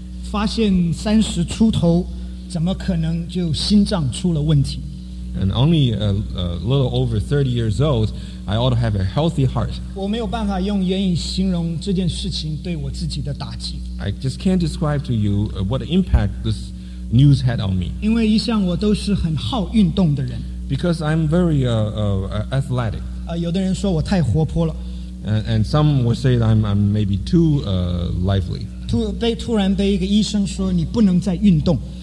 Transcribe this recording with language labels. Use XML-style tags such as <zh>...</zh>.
<zh>发现30出头，怎么可能就心脏出了问题</zh> <en>？And only a little over 30 years old, I ought to have a healthy heart.</en> <zh>我没有办法用言语形容这件事情对我自己的打击。</zh> <en>I just can't describe to you what impact this news had on me.</en> <zh>因为一向我都是很好运动的人。</zh> <en>Because I'm very athletic.</en> <zh>有的人说我太活泼了。</zh> <en>And some would say that I'm maybe too lively.</en> <zh>突然被一个医生说你不能再运动。</zh>